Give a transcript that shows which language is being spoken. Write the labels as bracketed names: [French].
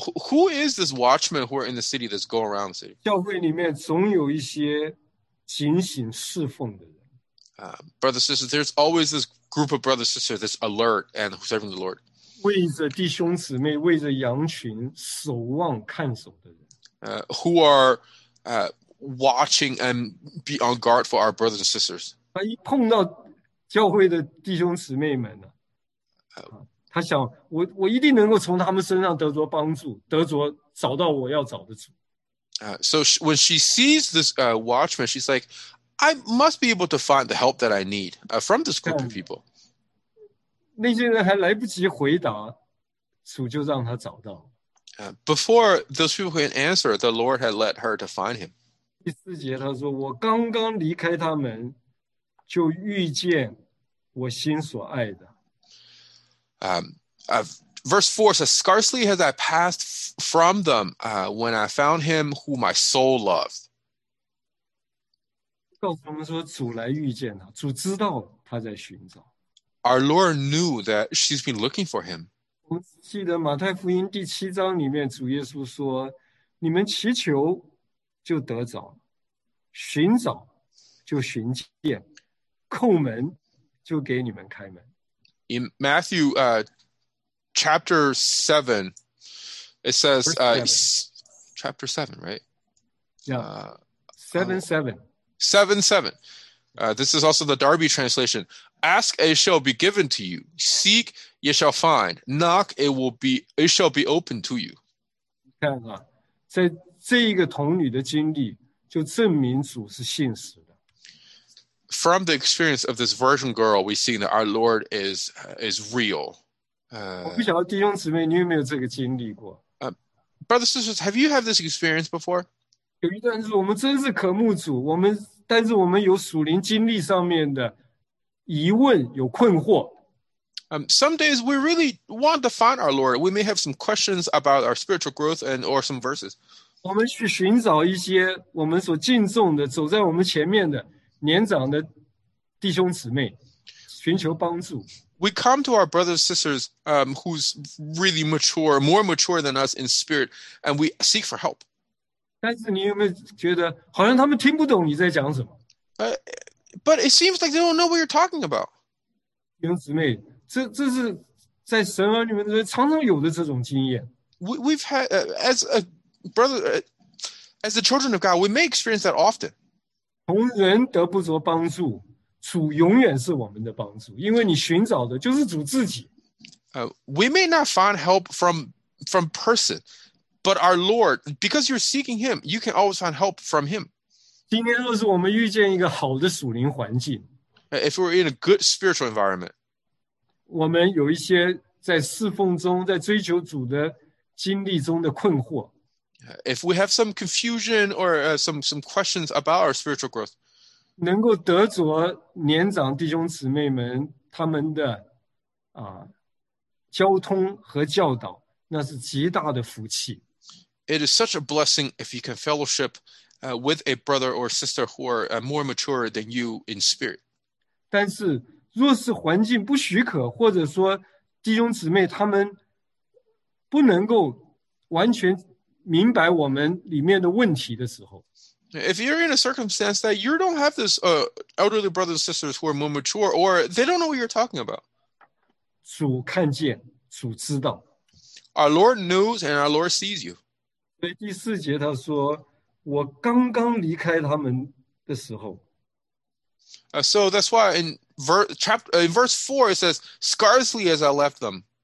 [English] Who is this watchman who are in the city that's going around the city? [Chinese] 教会里面总有一些警醒侍奉的人。 [English] Brothers, sisters, there's always this group of brothers, sisters that's alert and serving the Lord. [Chinese] 为着弟兄姊妹，为着羊群，守望看守的人。 [English] Who are watching and be on guard for our brothers and sisters. [Chinese] 他一碰到教会的弟兄姊妹们呢，他想我一定能够从他们身上得着帮助，得着找到我要找的主。 [English] When she sees this watchman, she's like, I must be able to find the help that I need from this group of people. [Chinese] 那些人还来不及回答，主就让他找到。 [English] Before those people could answer, the Lord had led her to find him. [Chinese] 第四节他说，我刚刚离开他们，就遇见我心所爱的。 [English] Verse 4 says, scarcely has I passed from them, when I found him who my soul loved. [Chinese] 告诉我们说，主来遇见他，主知道他在寻找。 [English] Our Lord knew that she's been looking for him. [Chinese] 我记得马太福音第七章里面主耶稣说，你们祈求就得着，寻找就寻见，叩门就给你们开门。 [English] In Matthew chapter 7, it says, chapter 7, right? Yeah, 7-7. 7-7. This is also the Darby translation. Ask, it shall be given to you. Seek, ye shall find. Knock, it shall be opened to you. [Chinese] 看啊，在这一个童女的经历，就证明主是信实的。 [English] From the experience of this virgin girl, we see that our Lord is real. [Chinese] 我不晓得弟兄姊妹，你有没有这个经历过？ [English] Brothers, sisters, have you had this experience before? [Chinese] 有一段是我们真是渴慕主，我们但是我们有属灵经历上面的疑问，有困惑。 [English] Some days we really want to find our Lord. We may have some questions about our spiritual growth and or some verses. [Chinese] 我们去寻找一些我们所敬重的、走在我们前面的年长的弟兄姊妹，寻求帮助。 [English] We come to our brothers and sisters, who's really mature, more mature than us in spirit, and we seek for help. [Chinese] 但是你有没有觉得好像他们听不懂你在讲什么？ [English] But it seems like they don't know what you're talking about. [Chinese] 弟兄姊妹，这是在神儿女们常常有的这种经验。 [English] We've had as the children of God, we may experience that often. [Chinese] 从人得不着帮助，主永远是我们的帮助，因为你寻找的就是主自己。 [English] We may not find help from person. But our Lord, because you're seeking Him, you can always find help from Him. [Chinese] 今天若是我们遇见一个好的属灵环境， [English] if we're in a good spiritual environment, [Chinese] 我们有一些在侍奉中、在追求主的经历中的困惑， [English] if we have some confusion or some questions about our spiritual growth, [Chinese] 能够得着年长弟兄姊妹们他们的交通和教导。那是极大的福气。 [English] It is such a blessing if you can fellowship with a brother or sister who are more mature than you in spirit. [Chinese] 但是若是环境不许可，或者说弟兄姊妹他们不能够完全明白我们里面的问题的时候。 [English] If you're in a circumstance that you don't have this elderly brothers and sisters who are more mature, or they don't know what you're talking about. [Chinese] 主看见，主知道。 [English] Our Lord knows and our Lord sees you. [Chinese] 所以第四节他说，我刚刚离开他们的时候。 [English] So that's why in verse 4 it says, scarcely as I left them.